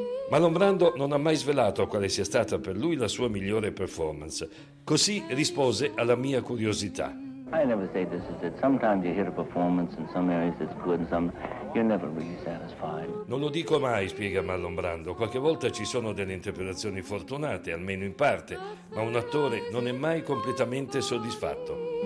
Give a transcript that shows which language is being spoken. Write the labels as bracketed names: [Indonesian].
[Italian] Marlon Brando non ha mai svelato quale sia stata per lui la sua migliore performance. Così rispose alla mia curiosità. [English] I never say this is it. Sometimes you hit a performance in some areas it's good and some you're never really satisfied. [Italian] Non lo dico mai, spiega Marlon Brando. Qualche volta ci sono delle interpretazioni fortunate, almeno in parte, ma un attore non è mai completamente soddisfatto.